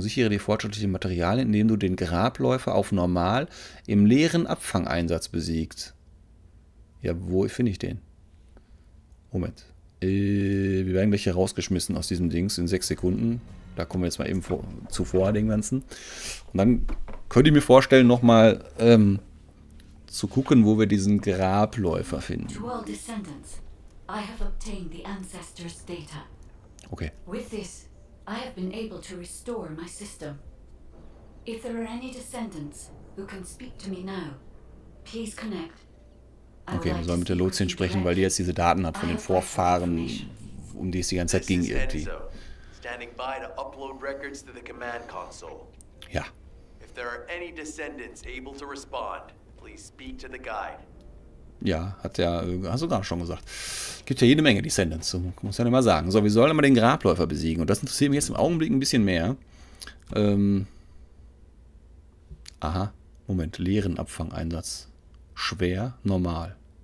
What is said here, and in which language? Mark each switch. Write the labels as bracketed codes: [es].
[de] Sichere die fortschrittlichen Materialien, indem du den Grabläufer auf Normal im leeren Abfangeinsatz besiegst. Ja, wo finde ich den? Moment. Wir werden gleich hier rausgeschmissen aus diesem Dings in 6 Sekunden. Da kommen wir jetzt mal eben zuvor den ganzen. Und dann könnte ich mir vorstellen, nochmal zu gucken, wo wir diesen Grabläufer finden. [en] To all descendants, I have obtained the ancestors' data. Okay. With this, I have been able to restore my system. If there are any descendants who can speak to me now, please connect. [de] Okay, wir sollen mit der Lotsin sprechen, weil die jetzt diese Daten hat von den Vorfahren, um die es die ganze Zeit ging irgendwie. [en] Standing by to upload records to the command console. [de] Ja. [en] If there are any descendants able to respond, please speak to the guide. [de] Ja, hat ja, hast du gerade schon gesagt. Gibt ja jede Menge Descendants, muss ja nicht mal sagen. So, wir sollen immer den Grabläufer besiegen. Und das interessiert mich jetzt im Augenblick ein bisschen mehr. Aha, Moment. Leeren Abfangeinsatz. Schwer, normal.